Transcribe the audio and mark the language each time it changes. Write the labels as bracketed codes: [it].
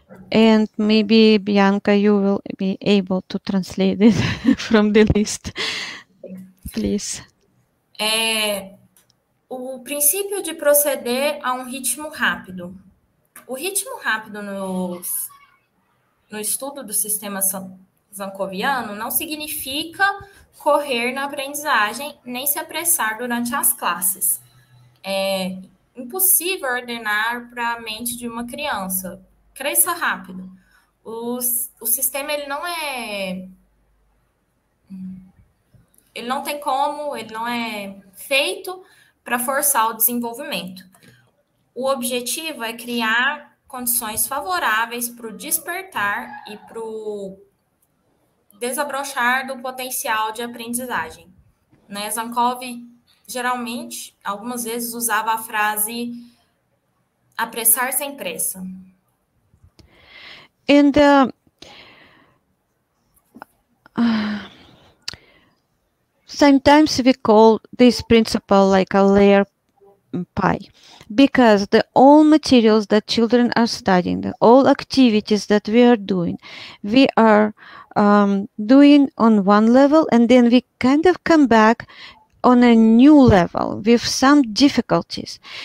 [en] And maybe Bianca, you will be able to translate it from the list, please. [pt] O princípio de proceder a um ritmo rápido. O ritmo rápido no estudo do sistema zancoviano não significa correr na aprendizagem nem se apressar durante as classes. É impossível ordenar para a mente de uma criança: cresça rápido. O sistema ele não é feito para forçar o desenvolvimento. O objetivo é criar condições favoráveis para o despertar e para o desabrochar do potencial de aprendizagem. Né, Zankov geralmente, algumas vezes, usava a frase apressar sem pressa. [en] And sometimes we call this principle like a layer pie, because the all materials that children are studying, the all activities that we are doing, we are doing on one level, and then we kind of come back on a new level with some difficulties.